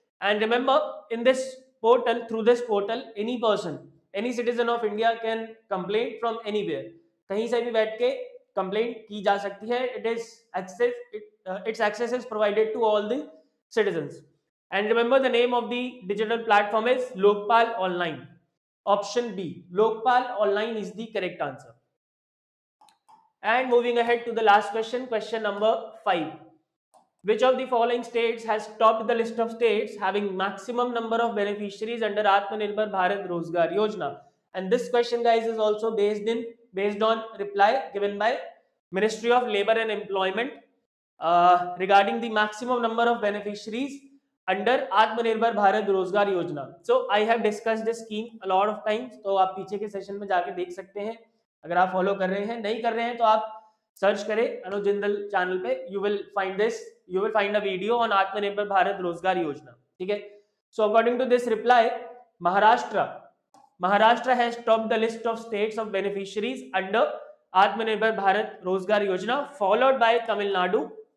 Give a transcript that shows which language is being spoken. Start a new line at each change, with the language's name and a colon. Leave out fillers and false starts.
English: And remember, in this portal, through this portal, any person, any citizen of India can complain from anywhere.
Hindi: कहीं से भी बैठ के complaint की जा सकती है.
English: Its access is provided to all the citizens. And remember, the name of the digital platform is Lokpal Online. Option B, Lokpal Online is the correct answer. And moving ahead to the last question, question number 5. Which of the following states has topped the list of states having maximum number of beneficiaries under Atmanirbhar Bharat Rozgar Yojana? And this question, guys, is also based on reply given by Ministry of Labour and Employment regarding the maximum number of beneficiaries under Atmanirbhar Bharat Rozgar Yojana. So I have discussed this scheme a lot of times.
Hindi: So aap peeche ke session mein jaake dekh sakte hain. अगर आप follow कर रहे हैं, नहीं कर रहे हैं तो आप सर्च करें अनुज जिंदल चैनल पे,
English: you will find a video on
Hindi: आत्मनिर्भर भारत रोजगार योजना, ठीक है.
English: So according to this reply, Maharashtra has topped the list of states of beneficiaries under Aatmanirbhar Bharat Rozgar Yojana, followed by Tamil Nadu.